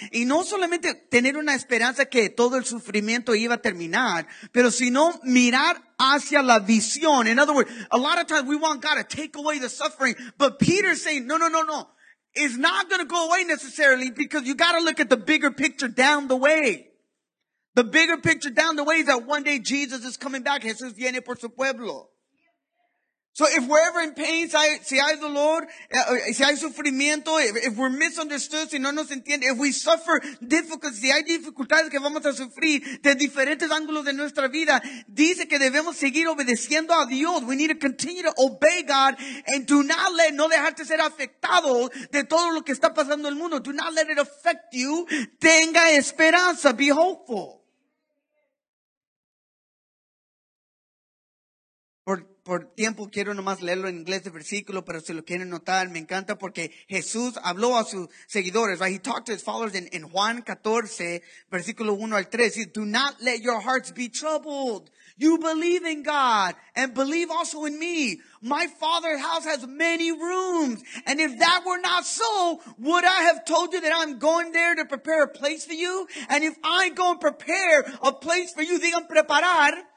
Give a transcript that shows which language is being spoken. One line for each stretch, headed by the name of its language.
Spanish: Y no solamente tener una esperanza que todo el sufrimiento iba a terminar, pero sino mirar hacia la visión.
English: In other words, a lot of times we want God to take away the suffering, but Peter's saying, no. It's not going to go away necessarily because you got to look at the bigger picture down the way. The bigger picture down the way is that one day Jesus is coming back.
Spanish: Jesús viene por su pueblo.
English: So if we're ever in pain,
Spanish: si hay dolor, si hay sufrimiento,
English: if we're misunderstood,
Spanish: si no nos entiende,
English: if we suffer difficulties,
Spanish: si hay dificultades que vamos a sufrir de diferentes ángulos de nuestra vida, dice que debemos seguir obedeciendo a Dios.
English: We need to continue to obey God and do not let,
Spanish: no dejarte ser afectado de todo lo que está pasando en el mundo.
English: Do not let it affect you.
Spanish: Tenga esperanza.
English: Be hopeful.
Spanish: Por tiempo quiero nomás leerlo en inglés de versículo, pero si lo quieren notar, me encanta porque Jesús habló a sus seguidores,
English: right? He talked to his followers
Spanish: in Juan 14, versículo 1 al 3.
English: He said, do not let your hearts be troubled. You believe in God and believe also in me. My Father's house has many rooms. And if that were not so, would I have told you that I'm going there to prepare a place for you? And if I go and prepare a place for you,
Spanish: digan preparar.